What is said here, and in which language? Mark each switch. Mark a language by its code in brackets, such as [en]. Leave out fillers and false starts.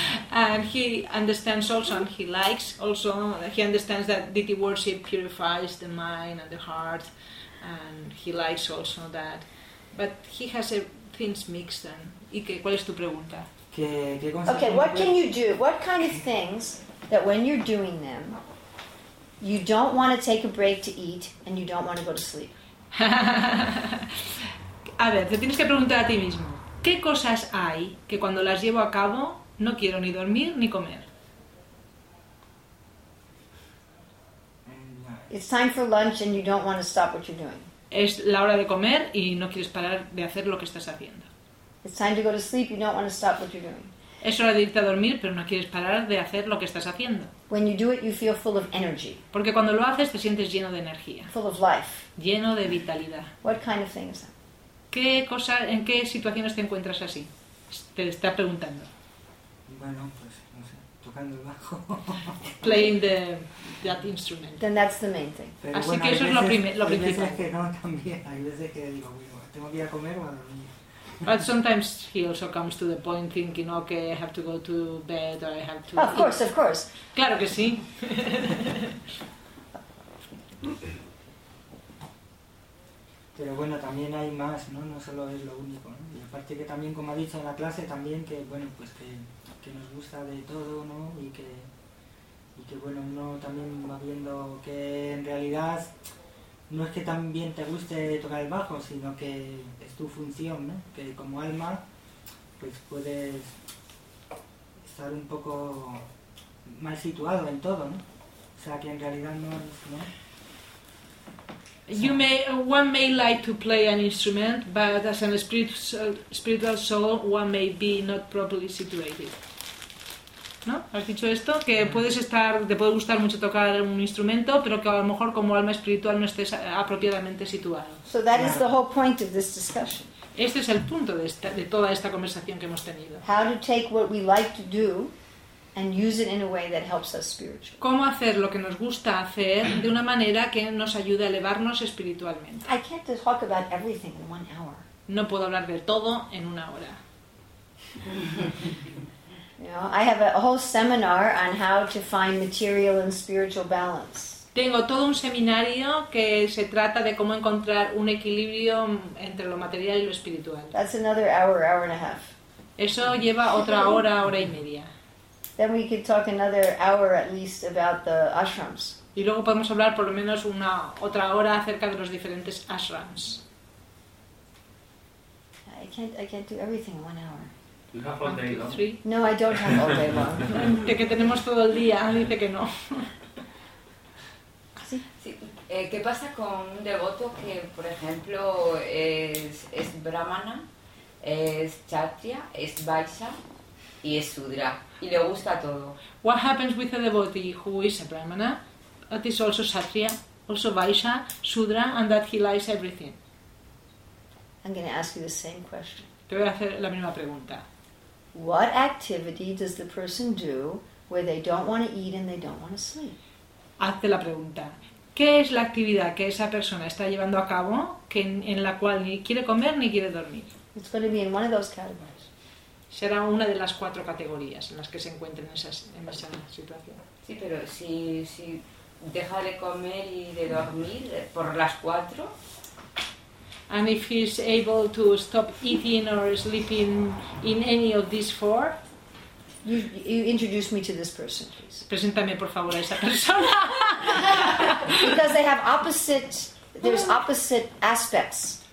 [en] And he understands also, and he likes also, he understands that deity worship purifies the mind and the heart, and he likes also that. But he has things mixed. And Ike, [es] ¿cuál es tu pregunta? [en] Okay, what can you do? What kind of things that when you're doing them, you don't want to take a break to eat and you don't want to go to sleep? [es] A ver, te tienes que preguntar a ti mismo. ¿Qué cosas hay que cuando las llevo a cabo no quiero ni dormir ni comer? [en] It's time for lunch and you don't want to stop what you're doing. [es] Es la hora de comer y no quieres parar de hacer lo que estás haciendo. [en] It's time to go to sleep, you don't want to stop what you're doing. [es] Es hora de irte a dormir, pero no quieres parar de hacer lo que estás haciendo. [en] When you do it, you feel full of energy. [es] Porque cuando lo haces te sientes lleno de energía. [en] Full of life. [es] Lleno de vitalidad. [en] What kind of thing is that? [es] ¿Qué cosa, en qué situaciones te encuentras así? Te está preguntando. Bueno, pues, no sé, tocando el bajo. [en] Playing that instrument. Then that's the main thing. [es] Pero así bueno, que eso veces, es lo principal. Hay veces que no, también. Hay veces que digo, bueno, tengo que ir a comer o a dormir. [en] But sometimes he also comes to the point thinking, okay, I have to go to bed or I have to... Of course, of course. [es] Claro que sí. Pero bueno, también hay más, ¿no? No solo es lo único, ¿no? Y aparte que también, como ha dicho en la clase, también que, bueno, pues que nos gusta de todo, ¿no? Y que, bueno, uno también va viendo que en realidad no es que también te guste tocar el bajo, sino que es tu función, ¿no? Que como alma, pues puedes estar un poco mal situado en todo, ¿no? O sea, que en realidad no es, ¿no? [en] You may, one may like to play an instrument, but as a spiritual soul, one may be not properly situated. [es] ¿No? ¿Has dicho esto? Que puedes estar, te puede gustar mucho tocar un instrumento, pero que a lo mejor como alma espiritual no estés apropiadamente situado. [en] So that is the whole point of this discussion. [es] Este es el punto de toda esta conversación que hemos tenido. [en] How to take what we like to do and use it in a way that helps us spiritually. [es] ¿Cómo hacer lo que nos gusta hacer de una manera que nos ayude a elevarnos espiritualmente? [en] I can't talk about everything in one hour. [es] No puedo hablar de todo en una hora. [en] You know, I have a whole seminar on how to find material and spiritual balance. [es] Tengo todo un seminario que se trata de cómo encontrar un equilibrio entre lo material y lo espiritual. [en] That's another hour, hour and a half. [es] Eso lleva otra hora, hora y media. [en] Then we could talk another hour at least about the ashrams. [es] Y luego podemos hablar por lo menos una otra hora acerca de los diferentes ashrams. [en] I can't do everything in one hour. You have all day long. No, I don't have all day long. [es] De que tenemos todo el día, dice que no. Sí. ¿Qué pasa con un devoto que, por ejemplo, es brahmana, es kshatriya, es vaisha y es sudra y le gusta todo? [en] What happens with a devotee who is a brahmana, that is also kshatriya, also vaisha, sudra, and that he likes everything? I'm going to ask you the same question. [es] Te voy a hacer la misma pregunta. [en] What activity does the person do where they don't want to eat and they don't want to sleep? [es] Hazte la pregunta. ¿Qué es la actividad que esa persona está llevando a cabo que en la cual ni quiere comer ni quiere dormir? [en] It's going to be in one of those categories. [es] Será una de las cuatro categorías en las que se encuentren en esa situación. Sí, pero si deja de comer y de dormir por las cuatro. [en] And if he's able to stop eating or sleeping in any of these four, you introduce me to this person, please. [es] Preséntame por favor a esa persona. [en] Because they have opposite aspects.